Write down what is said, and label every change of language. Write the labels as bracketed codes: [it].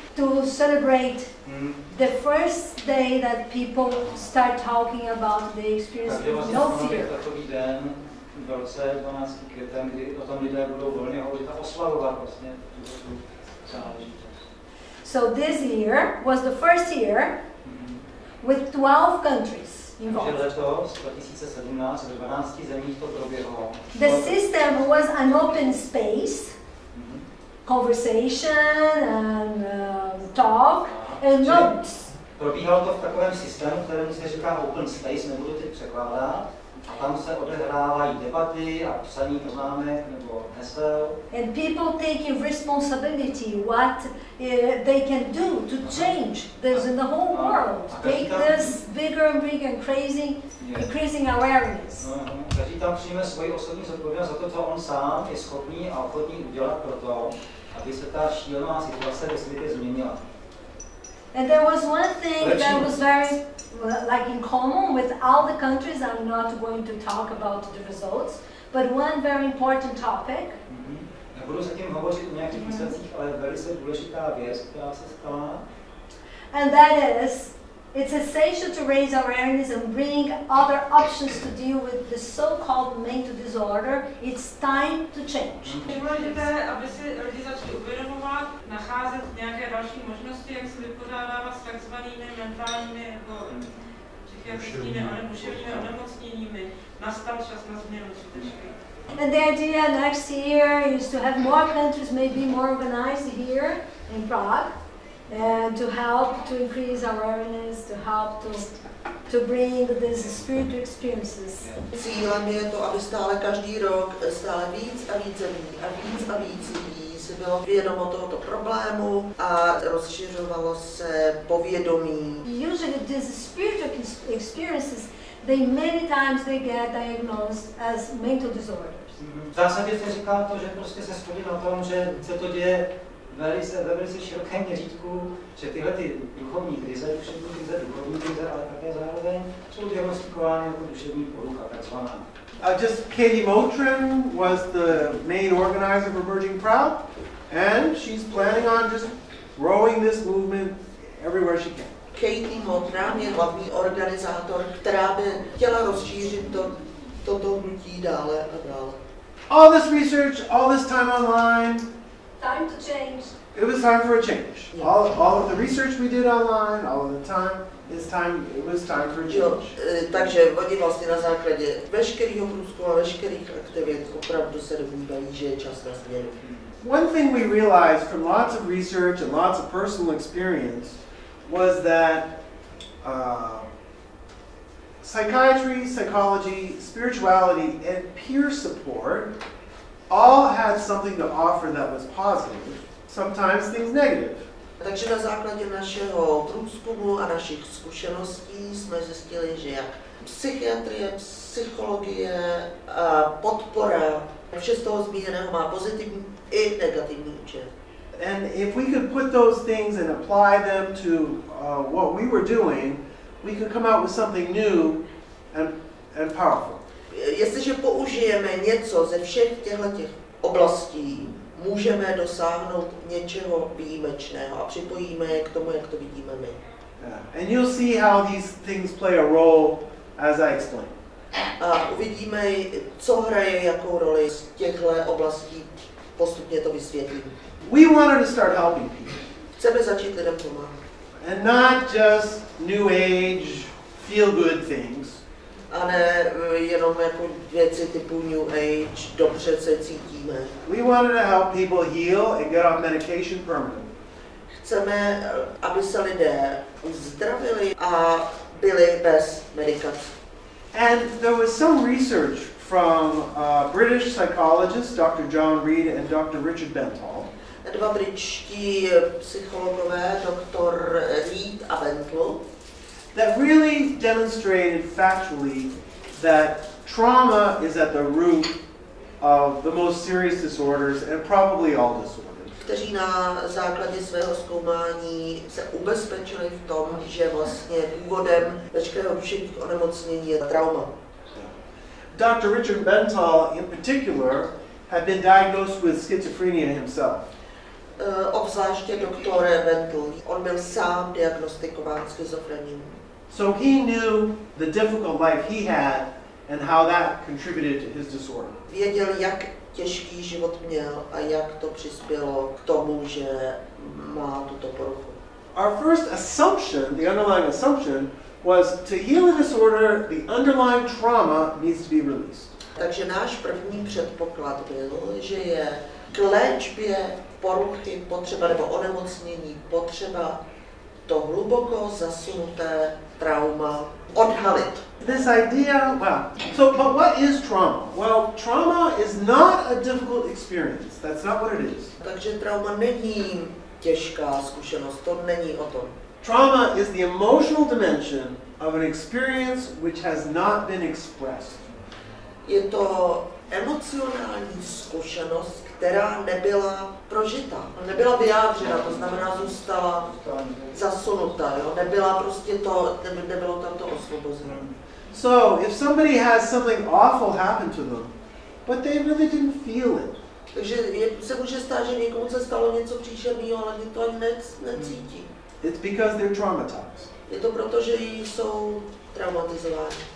[en] to celebrate the first day that people start talking about the experience of no fear. [cs] V roce 12. květem, kdy o tom lidé budou volně hovořit a oslavovat vlastně tu záležitost. [en] So this year was the first year with 12 countries involved. [cs] Takže letos, 2017, v 12 zemích to proběhlo. [en] The system was an open space, conversation and talk and notes. [cs] Probíhalo to v takovém systému, kterému se říká open space, nebudu teď překládat. A tam se odehrávají debaty a psaní poznámek nebo hesel. [en] And people taking responsibility what they can do to change this in the whole world. Take this bigger and bigger and crazy, increasing awareness. [cs] Každý tam přijme svoji osobní zodpovědnost za to, co on sám je schopný a ochotný udělat pro to, aby se ta šílená situace ve světě změnila. [en] And there was one thing that was very like in common with all the countries. I'm not going to talk about the results, but one very important topic. [cs] Nebudu se tím hovořit o nějakých výsledcích, ale velice důležitá věc, která se stala. [en] And that is, it's essential to raise awareness and bring other options to deal with the so-called mental disorder. It's time to change. [cs] Důležité, aby si lidi začali uvědomovat, nacházet nějaké další možnosti, jak se vypořádávat s takzvanými mentálními nebo psychickými duševními onemocněními. Nastal čas na změnu skutečně. [en] And the idea next year is to have more countries, maybe more organized here in Prague. And to help to increase our awareness, to help to bring these spiritual experiences. [cs] Cílem je to, aby stále každý rok stále víc a víc zemí a víc a víc lidí se bylo vědomo tohoto problému a rozšiřovalo se povědomí. [en] Usually these spiritual experiences, they many times they get diagnosed as mental disorders. [cs] V zásadě se říká to, že prostě se shodí na tom, že se to děje velice široké měřítku, že tyhle ty duchovní krize, duševní krize, duchovní krize, ale také zároveň jsou diagnostikovány jako duševní porucha, takzvaná. [en] Just Katie Moultrin was the main organizer of Emerging Proud, and she's planning on just growing this movement everywhere she can. [cs] Katie Moultrin je hlavní organizátor, která by chtěla rozšířit toto hnutí dále a dále. [en] All this research, all this time online, time to change. It was time for a change. Yeah. All of the research we did online, all of the time, it was time for a change. [cs] Takže oni vlastně na základě veškerého průzkumu a veškerých aktivit opravdu se domnívají, že je čas na změnu. [en] One thing we realized from lots of research and lots of personal experience was that psychiatry, psychology, spirituality, and peer support all had something to offer that was positive, sometimes things negative. [cs] Takže na základě našeho průzkumu a našich zkušeností jsme zjistili, že jak psychiatrie, psychologie, podpora, vše z toho zmíněného má pozitivní i negativní účinek. [en] And if we could put those things and apply them to what we were doing, we could come out with something new and powerful. [cs] Jestliže použijeme něco ze všech těchto oblastí, můžeme dosáhnout něčeho výjimečného a připojíme je k tomu, jak to vidíme my. [en] Yeah. And you'll see how these things play a role as I explain. [cs] A uvidíme, co hraje jakou roli z těchto oblastí, postupně to vysvětlím. [en] We wanted to start helping people. [cs] Chceme začít lidem pomáhat. [en] And not just new age feel good things. [cs] A ne jenom jako věci typu New Age, dobře se cítíme. [en] We wanted to help people heal and get on medication permanently. [cs] Chceme, aby se lidé uzdravili a byli bez medikace. [en] And there was some research from British psychologists, Dr. John Reed and Dr. Richard Bentall. [cs] Dva britští psychologové, Dr. Reed a Bentall. [en] That really demonstrated factually that trauma is at the root of the most serious disorders and probably all disorders. [cs] Kteří na základě svého zkoumání se ubezpečili v tom, že vlastně důvodem veškerého všech onemocnění je trauma. [en] Dr. Richard Bentall in particular had been diagnosed with schizophrenia himself. [cs] obzvláště doktor Wendel. On byl sám diagnostikován schizofrenií. [en] So he knew the difficult life he had and how that contributed to his disorder. [cs] Věděl, jak těžký život měl a jak to přispělo k tomu, že má tuto poruchu. [en] Our first assumption, the underlying assumption, was to heal a disorder, the underlying trauma needs to be released. [cs] Takže náš první předpoklad byl, že je k léčbě poruchy potřeba nebo onemocnění potřeba to hluboko zasunuté trauma odhalit. [en] This idea, wow. So, but what is trauma? Well, trauma is not a difficult experience. That's not what it is. [cs] Takže trauma není těžká zkušenost, to není o tom. [en] Trauma is the emotional dimension of an experience which has not been expressed. [cs] Je to emocionální zkušenost, která nebyla prožita, nebyla vyjádřena, to znamená zůstala zasunuta, jo? Nebyla prostě to, nebylo tam to osvobozeno. [en] So, if somebody has something awful happen to them, but they really didn't feel it. [cs] Takže se může stát, že někomu se stalo něco příšerného, ale to ani necítí. [en] It's because they're traumatized. [cs] Je to proto, že jsou traumatizováni.